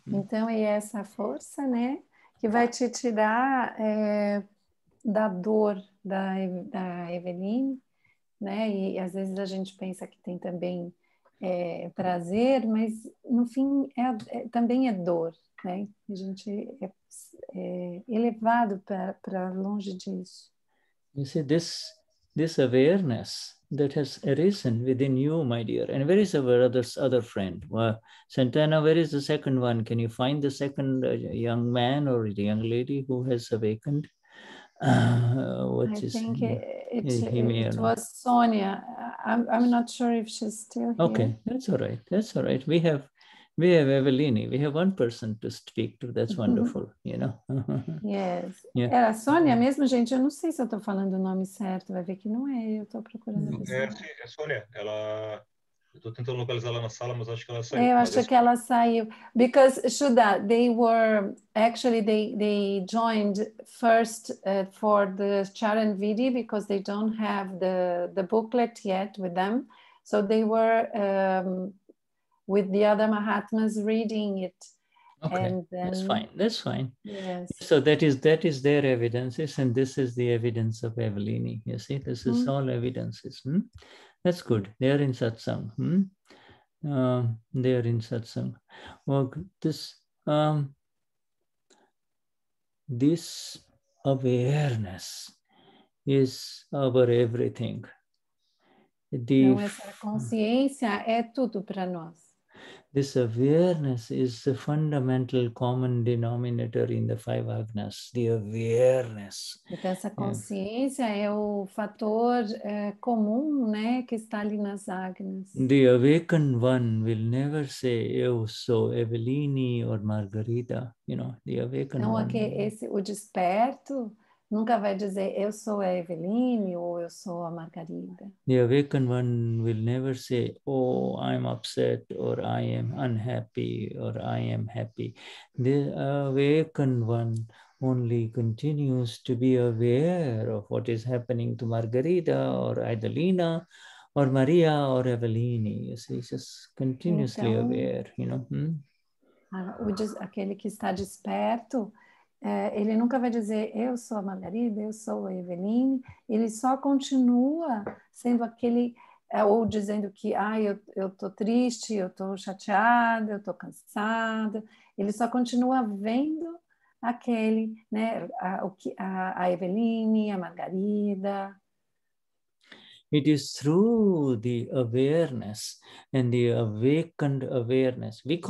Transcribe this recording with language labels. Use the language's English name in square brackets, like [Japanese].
[Portuguese] Então, é essa força, né, que vai te tirar da dor da Eveline. Né? E às vezes a gente pensa que tem também prazer, mas no fim também é dor, né? A gente é elevado para longe disso. [English] You see, this awareness that has arisen within you, my dear, and where is our other friend? Well, Santana, where is the second one? Can you find the second young man or the young lady who has awakened? It was Sonia. I'm not sure if she's still here. Okay, that's all right. We have We have Evelini. We have one person to speak to. That's wonderful, you know. Yes. Yeah. [Portuguese] Era Sônia mesmo, gente? Eu não sei se eu tô falando o nome certo. Vai ver que não é. Eu tô procurando a pessoa. É, sim, é Sônia. Ela... Eu tô tentando localizar ela na sala, mas acho que ela saiu. Eu acho que ela saiu. [English] Because, Shuddha, they were... Actually, they joined first for the Charan Vidhi because they don't have the booklet yet with them. So they were... with the other Mahatmas reading it. Okay, and then... that's fine. Yes. So that is their evidences, and this is the evidence of Evelini. You see, this is all evidences. Hmm? That's good. They are in satsang. Hmm? They are in satsang. Well, this awareness is our everything. [Portuguese] The consciência é tudo para nós. [English] This awareness is the fundamental common denominator in the five agnas, the awareness. [Portuguese] Então, essa consciência é o fator comum, né, que está ali nas agnas. [English] The awakened one will never say, [Portuguese] eu sou Evelini [English] or Margarita, you know, the awakened [Portuguese] então, [English] one. [Portuguese] Okay, esse, o desperto nunca vai dizer, eu sou a Evelini ou eu sou a Margarida. [English] The awakened one will never say, oh, I'm upset, or I am unhappy, or I am happy. The awakened one only continues to be aware of what is happening to Margarida, or Adelina, or Maria, or Evelini. You see, it's just continuously então, aware, you know. Hmm? [Portuguese] Aquele que está desperto, ele nunca vai dizer, eu sou a Margarida, eu sou a Eveline. Ele só continua sendo aquele, ou dizendo que, ai, eu tô triste, eu tô chateada, eu tô cansada. Ele só continua vendo aquele, né, a Eveline, a Margarida. [English] It is through the awareness and the awakened awareness.